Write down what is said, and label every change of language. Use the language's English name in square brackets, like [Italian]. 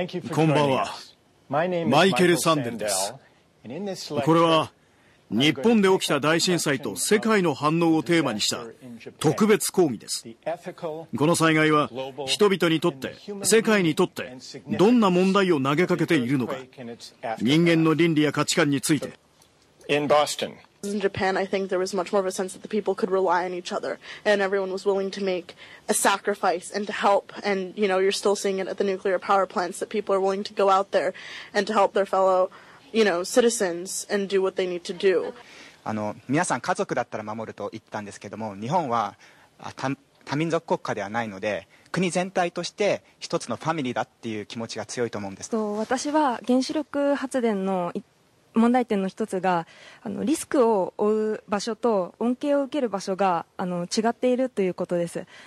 [Japanese] こんばんは、マイケル・サンデルです。これは日本で起きた大震災と世界の反応をテーマにした特別講義です。この災害は人々にとって、世界にとってどんな問題を投げかけているのか、人間の倫理や価値観について。 [English] In Japan, I think there was much more of a sense that the people could rely on each other, and everyone was willing to make a sacrifice and to help. And you know, you're still seeing it at the nuclear power plants, that people are willing to go out there and to help their fellow, you know, citizens and do what they need to do. [Japanese] 皆さん家族だったら守ると言ったんですけども、日本は多民族国家ではないので、国全体として一つのファミリーだっていう気持ちが強いと思うんです。私は原子力発電の問題点の一つが、リスクを負う場所と恩恵を受ける場所が違っているということです。